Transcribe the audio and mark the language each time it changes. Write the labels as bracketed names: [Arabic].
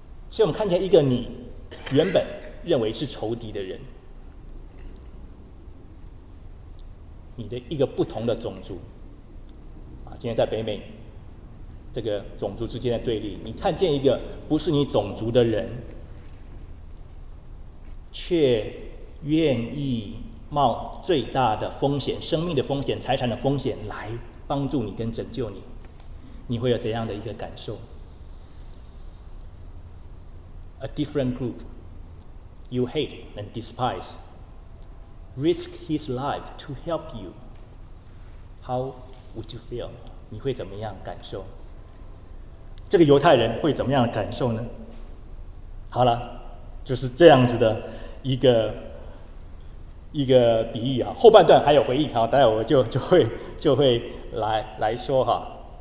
[Chinese] 所以我们看见一个你原本认为是仇敌的人，你的一个不同的种族啊，今天在北美这个种族之间的对立，你看见一个不是你种族的人，却愿意冒最大的风险，生命的风险，财产的风险，来帮助你跟拯救你，你会有怎样的一个感受？ [English] A different group you hate and despise risk his life to help you. How would you feel? [Chinese] 你会怎么样感受？这个犹太人会怎么样的感受呢？好了，就是这样子的一个比喻啊，后半段还有回应，好，待会我就会来说哈。